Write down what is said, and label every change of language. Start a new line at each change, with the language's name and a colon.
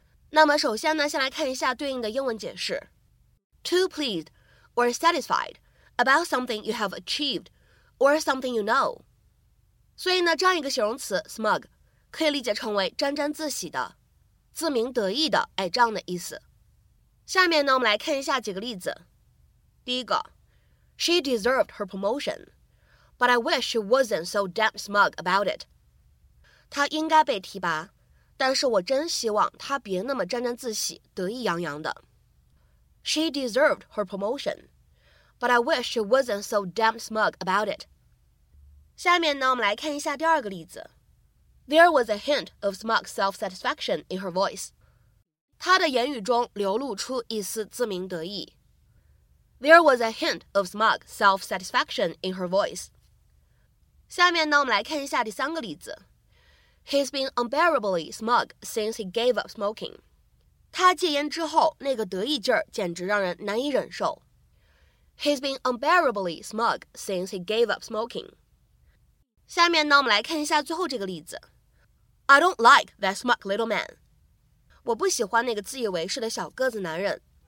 Chinese: 那么首先呢，先来看一下对应的英文解释。
English: Too pleased or satisfied about something you have achieved,or something you know.
Chinese: 所以呢，这样一个形容词 smug 可以理解成为沾沾自喜的、自鸣得意的，哎，这样的意思。下面呢，我们来看一下几个例子。第一个，
English: She deserved her promotion, but I wish she wasn't so damn smug about it.
Chinese: 她应该被提拔，但是我真希望她别那么沾沾自喜、得意洋洋的。
English: She deserved her promotion. But I wish she wasn't so damn smug about it.
Chinese: 下面呢，我们来看一下第二个例子。
English: There was a hint of smug self-satisfaction in her voice.
Chinese: 她的言语中流露出一丝自鸣得意。
English: There was a hint of smug self-satisfaction in her voice.
Chinese: 下面呢，我们来看一下第三个例子。
English: He's been unbearably smug since he gave up smoking.
Chinese: 他戒烟之后，那个得意劲儿简直让人难以忍受。
English: He's been unbearably smug since he gave up smoking.
Chinese: 下面呢，我们来看一下最后这个例子。
English: I don't like that smug little man.
Chinese: 我不喜欢那个自以为是的小个子男人。